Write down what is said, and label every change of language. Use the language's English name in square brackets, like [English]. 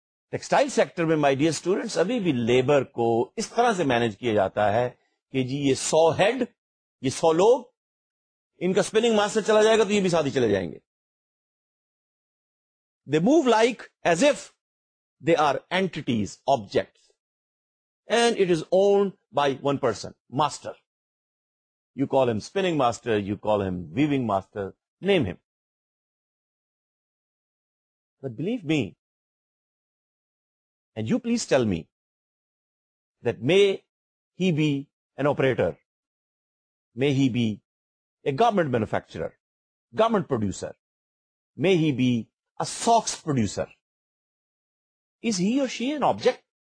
[Urdu] Textile sector میں [English] my dear students [Urdu] ابھی بھی لیبر کو اس طرح سے مینج کیا جاتا ہے کہ جی یہ 100 ہیڈ یہ 100 لوگ ان کا اسپننگ ماسٹر چلا جائے گا تو یہ بھی ساتھ ہی چلے جائیں گے. [English] They move like as if they are entities objects and it is owned by one person master. You call him spinning master, you call him weaving master, name him. But believe me and you please tell me that may he be an operator, may he be a garment manufacturer, garment producer, may he be a socks producer, is he or she an object?